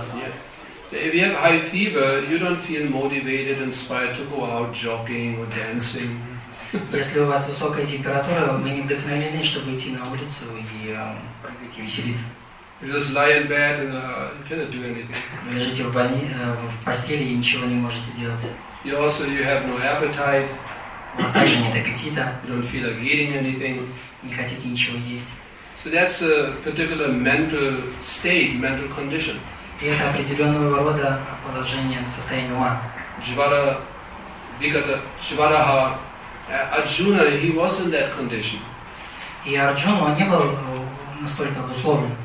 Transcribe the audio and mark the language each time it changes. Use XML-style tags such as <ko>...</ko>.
<en>Yeah. If you have high fever, you don't feel motivated, inspired to go out jogging or dancing.</en> <ru>Если у вас высокая температура, вы не вдохновлены, чтобы идти на улицу и веселиться.</ru> <en>You just lie in bed and you cannot do anything.</en> <ru>Вы лежите в постели и ничего не можете делать.</ru> <en>You also you have no appetite.</en> <ru>У вас также нет аппетита.</ru> <en>You don't feel like eating anything.</en> <ru>Не хотите ничего есть.</ru> <en>So that's a particular mental state, mental condition.</en> <ru>И это определенного рода положение, состояние ума.</ru> <en>Jvaraha, Arjuna, he was in that condition.</en> <ru>И Арджуна не был настолько обусловлен.</ru>